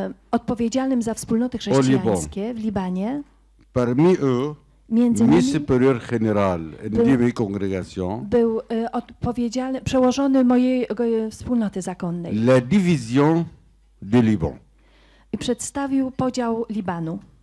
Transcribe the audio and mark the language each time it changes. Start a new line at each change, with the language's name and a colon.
Polish: Odpowiedzialnym za wspólnoty chrześcijańskie w Libanie.
French: Parmi eux,
Polish: między
French: nimi supérieur général de congrégation.
Polish: Był odpowiedzialny, przełożony mojej wspólnoty zakonnej.
French: La division de Liban.
Polish: I przedstawił podział Libanu.